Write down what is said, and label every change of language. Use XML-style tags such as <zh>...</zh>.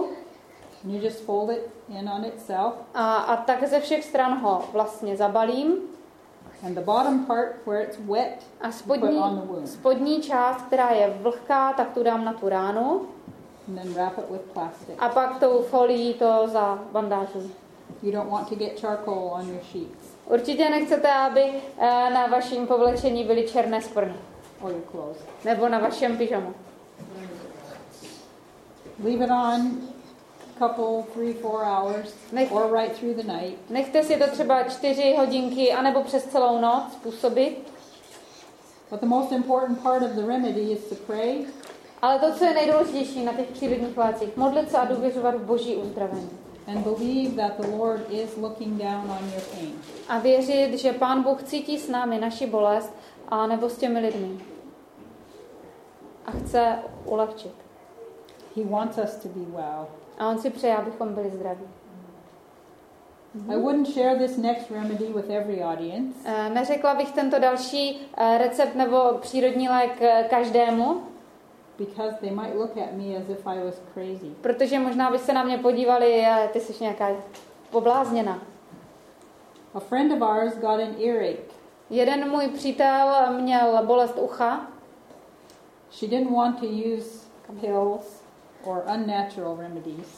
<en>And you just fold it in on itself.</en> <cs>A tak ze všech stran ho vlastně zabalím.</cs> <en>And the bottom part where it's wet.</en> <cs>A spodní část, která je vlhká, tak tu dám na tu ránu.</cs> <en>And then wrap it with plastic.</en> <cs>A pak tou folií to za bandážu.</cs> <en>You don't want to get charcoal on your sheets.</en> <cs>Určitě nechcete, aby na vašem povlečení byly černé skvrny. Nebo na vašem pyžamu.</cs> <en>Leave it on couple 3-4 hours or right through the night.</en> <cs>Nechte si to třeba 4 hodinky anebo přes celou noc působit.</cs> <en>But the most important part of the remedy is to pray.</en> <cs>Ale to, co je nejdůležitější na těch přírodních lécích, modlit se a důvěřovat v Boží uzdravení.</cs> <en>And believe that the Lord is looking down on your pain.</en> <cs>A věřit, že Pán Bůh cítí s námi naši bolest a nebo s těmi lidmi. A chce ulehčit.</cs> <en>He wants us to be well.</en> <cs>A on si přeje, abychom byli zdraví.</cs> <en>I wouldn't share this next remedy with every audience.</en> <cs>Neřekla bych tento další recept nebo přírodní lék každému.</cs> <en>Because they might look at me as if I was crazy.</en> <cs>Protože možná by se na mě podívali, ty jsi nějaká poblázněna.</cs> <en>A friend of ours got an earache.</en> <cs>Jeden můj přítel měl bolest ucha.</cs> <en>She didn't want to use pills or unnatural remedies.</en>